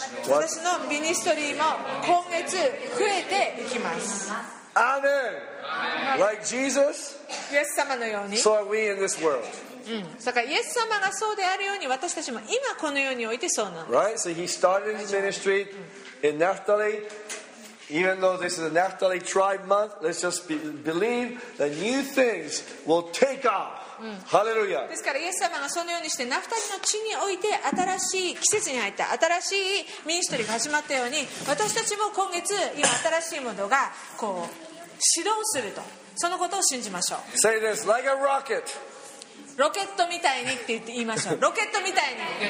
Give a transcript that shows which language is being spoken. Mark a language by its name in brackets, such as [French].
[Japanese] 私のミニストリーも今月増えていきます。 [English] アーメン。Like Jesus, [Japanese] イエス様のように、 [English] so are we in this world. [Japanese] だからイエス様がそうであるように私たちも今この世においてそうなんです。 [English] Right, so he started his ministry in Naphtali. Even though this is a Naphtali tribe month, let's just believe that new things will take off. [Japanese] ハレルヤ。ですからイエス様がそのようにしてナフタリの地において新しい季節に入った新しいミニストリーが始まったように、私たちも今月今新しいものがこう始動すると、そのことを信じましょう。 [English] Say this like a rocket. [Japanese] ロケットみたいにって言いましょう。ロケットみたいに。